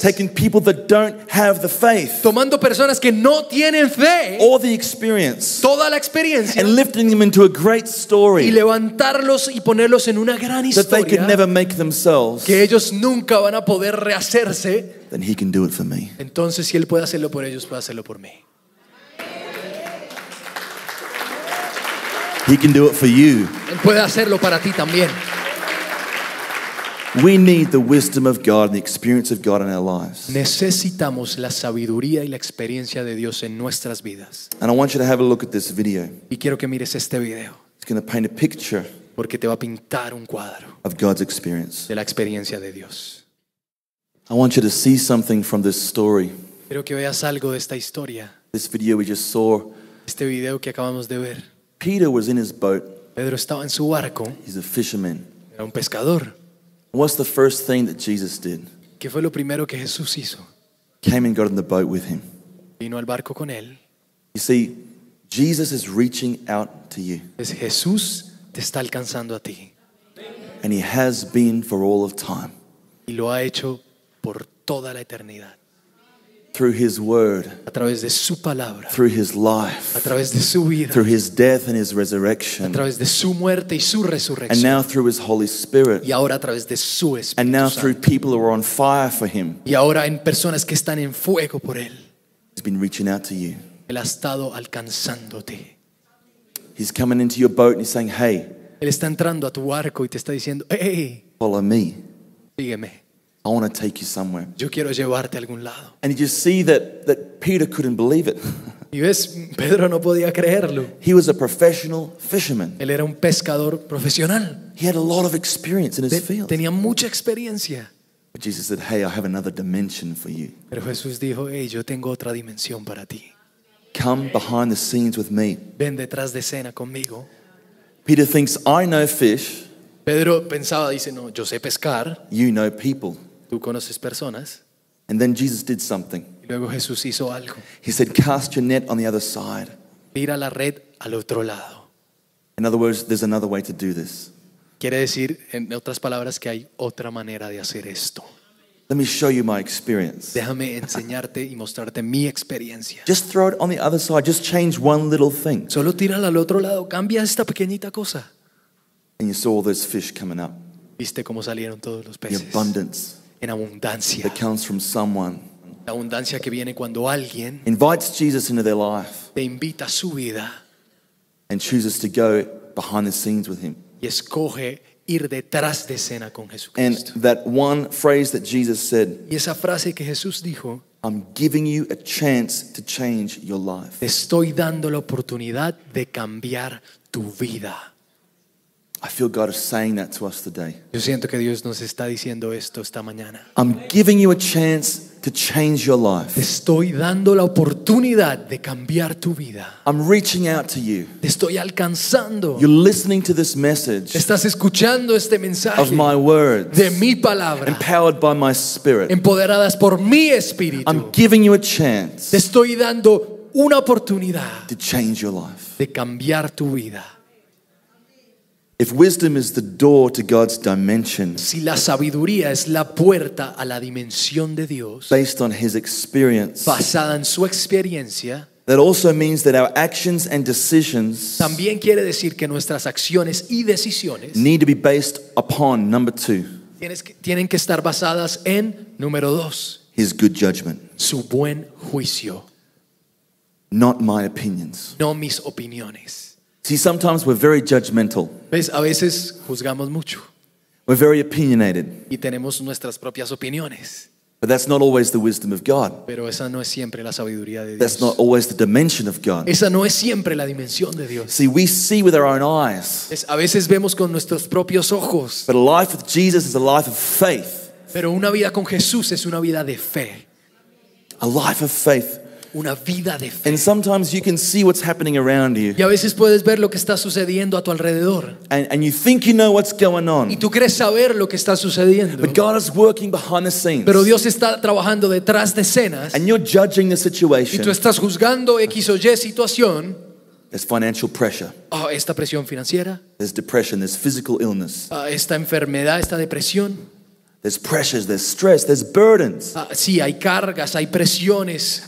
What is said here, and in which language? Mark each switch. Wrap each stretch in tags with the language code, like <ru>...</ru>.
<en>taking people that don't have the faith,</en> <es>tomando personas que no tienen fe,</es> <en>or the experience,</en> <es>toda la experiencia,</es> <en>and lifting them into a great story,</en> <es>y levantarlos y ponerlos en una gran historia,</es> <en>that they could never make themselves,</en> <es>que ellos nunca van a poder rehacerse,</es> <en>then he can do it for me.</en> <es>Entonces si él puede hacerlo por ellos, puede hacerlo por mí.</es> <en>He can do it for you.</en> <es>Él puede hacerlo para ti también.</es> <en>We need the wisdom of God and the experience of God in our lives.</en> <es>Necesitamos la sabiduría y la experiencia de Dios en nuestras vidas.</es> <en>And I want you to have a look at this video.</en> <es>Y quiero que mires este video.</es> <en>It's going to paint a picture,</en> <es>porque te va a pintar un cuadro,</es> <en>of God's experience,</en> <es>de la experiencia de Dios.</es> <en>I want you to see something from this story.</en> <es>Quiero que veas algo de esta historia.</es> <en>This video we just saw.</en> <es>Este video que acabamos de ver.</es> <en>Peter was in his boat.</en> <es>Pedro estaba en su barco.</es> <en>He's a fisherman.</en> <es>Era un pescador.</es> <en>What's the first thing that Jesus did?</en> <es>¿Qué fue lo primero que Jesús hizo?</es> <en>Came and got in the boat with him.</en> <es>Vino al barco con él.</es> <en>You see, Jesus is reaching out to you.</en> <es>Es Jesús te está alcanzando a ti.</es> <en>And he has been for all of time.</en> <es>Y lo ha hecho por toda la eternidad.</es> <en>Through his word.</en> <es>A través de su palabra.</es> <en>Through his life.</en> <es>A través de su vida.</es> <en>Through his death and his resurrection.</en> <es>A través de su muerte y su resurrección.</es> <en>And now through his Holy Spirit.</en> <es>Y ahora a través de su Espíritu Santo.</es> <en>And now through people who are on fire for him.</en> <es>Y ahora en personas que están en fuego por él.</es> <en>He's been reaching out to you.</en> <es>Él ha estado alcanzándote.</es> <en>He's coming into your boat and he's saying, "Hey."</en> <es>Él está entrando a tu barco y te está diciendo, "Hey."</es> <en>Follow me.</en> <es>Sígueme.</es> <en>I want to take you somewhere.</en> <es>Yo quiero llevarte a algún lado.</es> <en>And you see that Peter couldn't believe it.</en> <es>Y ves, Pedro no podía creerlo.</es> <en>He was a professional fisherman.</en> <es>Él era un pescador profesional.</es> <en>He had a lot of experience in his field.</en> <es>Tenía mucha experiencia.</es> <en>But Jesus said, "Hey, I have another dimension for you."</en> <es>Pero Jesús dijo, "Hey, yo tengo otra dimensión para ti."</es> <en>Come behind the scenes with me.</en> <es>Ven detrás de escena conmigo.</es> <en>Peter thinks, "I know fish."</en> <es>Pedro pensaba, dice, "No, yo sé pescar."</es> <en>You know people.</en> <es>Tú conoces personas.</es> <en>And then Jesus did something.</en> <es>Y luego Jesús hizo algo.</es> <en>He said, "Cast your net on the other side."</en> <es>Tira la red al otro lado.</es> <en>In other words, there's another way to do this.</en> <es>Quiere decir, en otras palabras, que hay otra manera de hacer esto.</es> <en>Let me show you my experience.</en> <es>Déjame enseñarte y mostrarte mi experiencia.</es> <en>Just throw it on the other side. Just change one little thing.</en> <es>Solo tírala al otro lado. Cambia esta pequeñita cosa.</es> <en>And you saw all those fish coming up.</en> <es>Viste cómo salieron todos los peces.</es> <en>The abundance.</en> <es>En abundancia.</es> <en>That comes from someone.</en> <es>La abundancia que viene cuando alguien</es> <en>invites Jesus into their life.</en> <es>Te invita a su vida.</es> <en>And chooses to go behind the scenes with him.</en> <es>Y escoge ir detrás de escena con Jesucristo.</es> <en>And that one phrase that Jesus said.</en> <es>Y esa frase que Jesús dijo.</es> <en>I'm giving you a chance to change your life.</en> <es>Estoy dando la oportunidad de cambiar tu vida.</es> <en>I feel God is saying that to us today.</en> <es>Yo siento que Dios nos está diciendo esto esta mañana.</es> <en>I'm giving you a chance to change your life.</en> <es>Estoy dando la oportunidad de cambiar tu vida.</es> <en>I'm reaching out to you.</en> <es>Te estoy alcanzando.</es> <en>You're listening to this message.</en> <es>Estás escuchando este mensaje.</es> <en>Of my words.</en> <es>De mi palabra.</es> <en>Empowered by my spirit.</en> <es>Empoderadas por mi espíritu.</es> <en>I'm giving you a chance.</en> <es>Te estoy dando una oportunidad.</es> <en>To change your life.</en> <es>De cambiar tu vida.</es> <en>If wisdom is the door to God's dimension,</en> <es>si la sabiduría es la puerta a la dimensión de Dios,</es> <en>based on his experience,</en> <es>basada en su experiencia,</es> <en>that also means that our actions and decisions,</en> <es>también quiere decir que nuestras acciones y decisiones,</es> <en>need to be based upon number two,</en> <es>tienen que estar basadas en número dos,</es> <en>his good judgment,</en> <es>su buen juicio,</es> <en>not my opinions,</en> <es>no mis opiniones.</es> <en>See, sometimes we're very judgmental.</en> <es>¿Ves? A veces juzgamos mucho.</es> <en>We're very opinionated.</en> <es>Y tenemos nuestras propias opiniones.</es> <en>But that's not always the wisdom of God.</en> <es>Pero esa no es siempre la sabiduría de Dios.</es> <en>That's not always the dimension of God.</en> <es>Esa no es siempre la dimensión de Dios.</es> <en>See, we see with our own eyes.</en> <es>¿Ves? A veces vemos con nuestros propios ojos.</es> <en>But a life with Jesus is a life of faith.</en> <es>Pero una vida con Jesús es una vida de fe.</es> <en>A life of faith.</en> <es>Una vida de fe.</es> <en>And sometimes you can see what's happening around you.</en> <es>Y a veces puedes ver lo que está sucediendo a tu alrededor.</es> <en>And you think you know what's going on.</en> <es>Y tú crees saber lo que está sucediendo.</es> <en>But God is working behind the scenes.</en> <es>Pero Dios está trabajando detrás de escenas.</es> <en>And you're judging the situation.</en> <es>Y tú estás juzgando X o Y situación.</es> <en>There's financial pressure.</en> <es>Oh, esta presión financiera.</es> <en>There's depression. There's physical illness.</en> <es>Esta enfermedad, esta depresión.</es> <en>There's pressures, there's stress, there's burdens.</en> <es>Sí, hay cargas, hay presiones.</es>